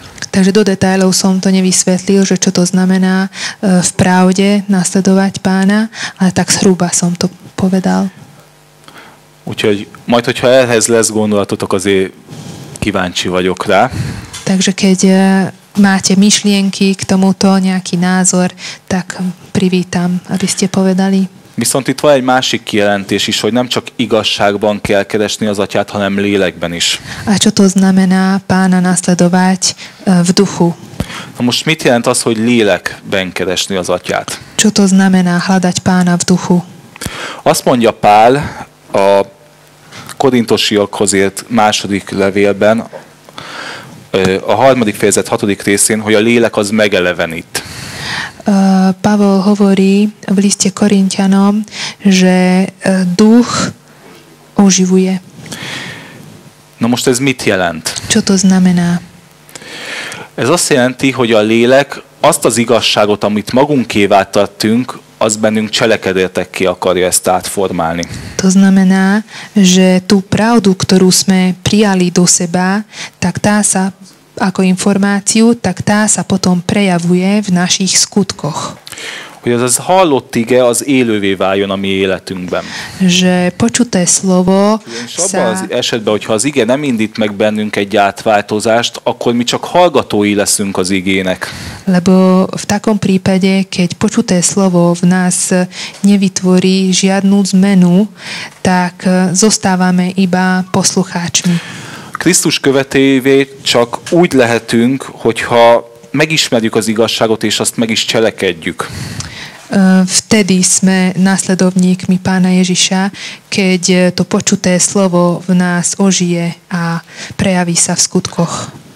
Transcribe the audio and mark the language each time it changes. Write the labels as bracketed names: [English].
[Slovak] Takže do detailov som to nevysvetlil, že čo to znamená v pravde nasledovať pána, ale tak zhruba som to povedal. [Hungarian] Úgyhogy majd, hogyha ehhez lesz gondolatotok, azért kíváncsi vagyok rá. [Slovak] Takže keď máte myšlienky k tomuto, nejaký názor, tak privítam, aby ste povedali. [Hungarian] Viszont itt van egy másik kijelentés is, hogy nem csak igazságban kell keresni az atyát, hanem lélekben is. [Slovak] A čo to znamená pána nasledovať v duchu? [Hungarian] Na most mit jelent az, hogy lélekben keresni az atyát? [Slovak] Čo to znamená hľadať pána v duchu? [Hungarian] Azt mondja Pál a korintosiakhoz írt második levélben, a harmadik fejezet hatodik részén, hogy a lélek az megelevenít. [Slovak] Pavol hovorí v liste Korintianom, že duch oživuje. [Hungarian] No most ez mit jelent? [Slovak] Čo to znamená? [Hungarian] Ez azt jelenti, hogy a lélek azt az igazságot, amit magunkévá tettünk, az bennünk cselekedetekké akarja ezt átformálni. [Slovak] To znamená, že tú pravdu, ktorú sme prijali do seba, tak tá sa ako informáciu, tak tá sa potom prejavuje v našich skutkoch. [Hungarian] Hogy az hallott ige az élővé váljon a mi életünkben. [Slovak] Že počuté slovo sa... [Hungarian] Abban az esetben, hogyha az ige nem indít meg bennünk egy átváltozást, akkor mi csak hallgatói leszünk az igének. [Slovak] Lebo v takom prípade, keď počuté slovo v nás nevytvorí žiadnu zmenu, tak zostávame iba poslucháčmi. [Hungarian] Krisztus követévé csak úgy lehetünk, hogyha megismerjük az igazságot, és azt meg is cselekedjük. [Slovak] Vtedy sme nasledovníkmi Pána Ježiša, keď to počuté slovo v nás ožije a prejaví sa v skutkoch.